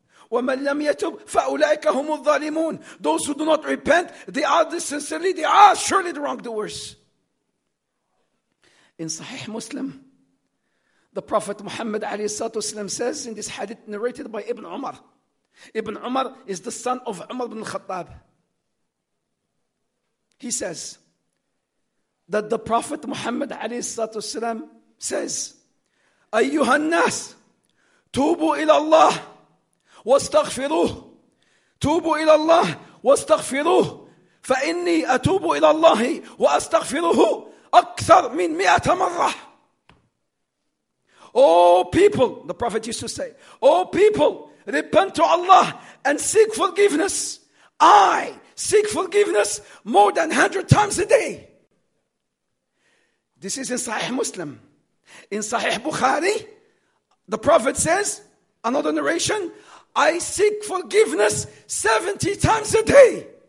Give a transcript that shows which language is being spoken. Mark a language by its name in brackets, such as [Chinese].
[Arabic] وَمَنْ لَمْ يَتُبْ فَأُولَٰئِكَ هُمُ الظَّالِمُونَ. [English] Those who do not repent, they are surely the wrongdoers. In Sahih Muslim, the Prophet Muhammad says in this hadith narrated by Ibn Umar. Ibn Umar is the son of Umar ibn Khattab. He says that the Prophet Muhammad says, [Arabic] أيها الناس توبوا إلى الله واستغفروه توبوا إلى الله واستغفروه فإني أتوب إلى الله وأستغفروه أكثر من مئة مرة. [English] Oh people, the Prophet used to say, oh people, repent to Allah and seek forgiveness. I seek forgiveness more than 100 times a day. This is in Sahih Muslim. In Sahih Bukhari, the Prophet says, another narration, I seek forgiveness 70 times a day.